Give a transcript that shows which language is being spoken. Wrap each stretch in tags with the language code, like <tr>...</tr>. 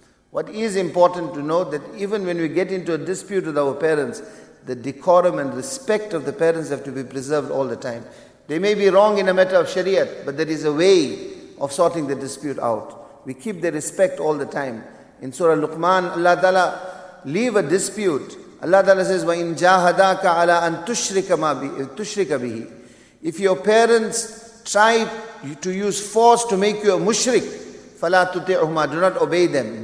<en>What is important to note that even when we get into a dispute with our parents, the decorum and respect of the parents have to be preserved all the time. They may be wrong in a matter of Shariat, but there is a way of sorting the dispute out. We keep the respect all the time. In Surah Luqman, Allah Ta'ala leave a dispute. Allah Ta'ala says,</en> <ar>وَإِن جَاهَدَاكَ عَلَىٰ أَن تُشْرِكَ بِهِ.</ar> <en>If your parents try to use force to make you a mushrik,</en> <ar>فَلَا تُطِعُهُمَا,</ar> <en>do not obey them.</en>